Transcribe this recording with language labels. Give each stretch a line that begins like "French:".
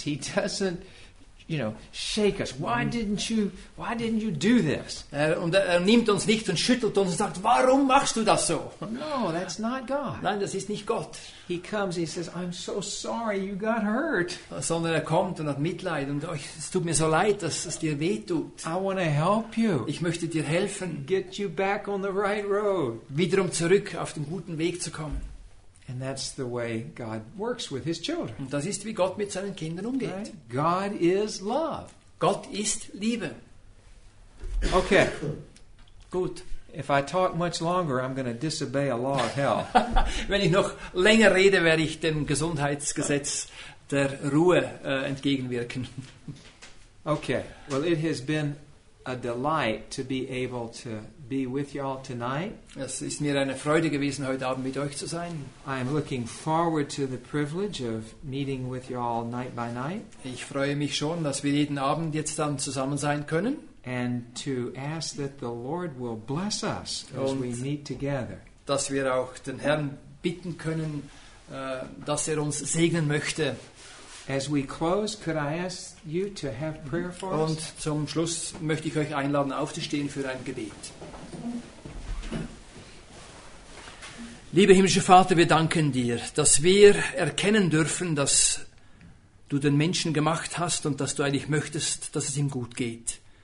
English: He doesn't, you know, shake us. Why didn't you do this?
German: Und er nimmt uns nicht und schüttelt uns und sagt, warum machst du das so?
English: No, that's not God.
German: Nein, das ist nicht Gott.
English: He comes, he says, I'm so sorry you got hurt.
German: Sondern er kommt und hat Mitleid und oh, es tut mir so leid, dass es dir weh tut.
English: I want to help you.
German: Ich möchte dir helfen.
English: Get you back on the right road.
German: Wiederum zurück auf den guten Weg zu kommen.
English: And that's the way God works with his children.
German: Und das ist, wie Gott mit seinen Kindern umgeht.
English: Right? God is love.
German: Gott ist Liebe.
English: Okay.
German: Gut.
English: If I talk much longer, I'm going to disobey a law of hell.
German: Wenn ich noch länger rede, werde ich dem Gesundheitsgesetz der Ruhe entgegenwirken.
English: Okay. Well, it has been a delight to be able to be with y'all tonight.
German: Es ist mir eine Freude gewesen, heute Abend mit euch zu sein.
English: I am looking forward to the privilege of meeting with y'all night by night.
German: Ich freue mich schon, dass wir jeden Abend jetzt dann zusammen sein können.
English: And to ask that the Lord will bless us as
German: Und
English: we meet together.
German: Dass wir auch den Herrn bitten können, dass er uns segnen möchte.
English: As we close, could I ask you to have prayer for us?
German: Und zum Schluss möchte ich euch einladen, aufzustehen für ein Gebet. Lieber himmlischer Vater, wir danken dir, dass wir erkennen dürfen, dass du den Menschen gemacht hast und dass du eigentlich möchtest, dass es ihm gut geht.